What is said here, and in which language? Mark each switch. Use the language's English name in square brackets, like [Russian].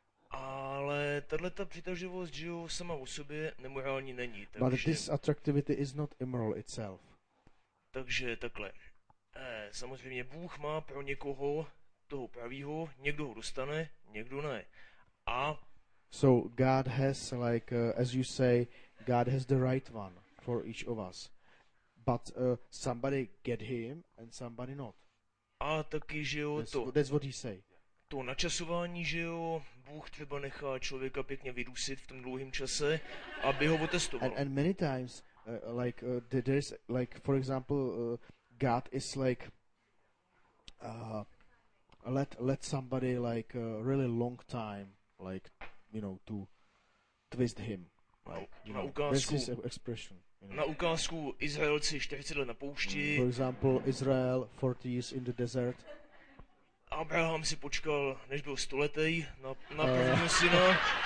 [Czech] Ale tato přitažlivost, že jo, sama o sobě nemorální není. Takže... [English] But this attractivity is not immoral itself. [Czech] Takže takhle. Samozřejmě Bůh má pro někoho toho pravýho, někdo ho dostane, někdo ne. A [English] so God has, like as you say, God has the right one for each of us. But somebody get him and somebody not. [Czech] A taky, že jo, [English] to. That's what he say. [Czech] To načasování, že jo, Bůh třeba nechá člověka pěkně vydusit v tom dlouhém čase, aby ho otestoval. [English] And many times there's like for example God is like let somebody like really long time like you know to twist him like, [Czech] na ukázku, [English] this is expression, you know. [Czech] Na ukázku Izraelci 40 let na poušti. [English] For example, Israel 40 years in the desert. [Czech] Abraham si počkal, než byl stoletej na prvního syna.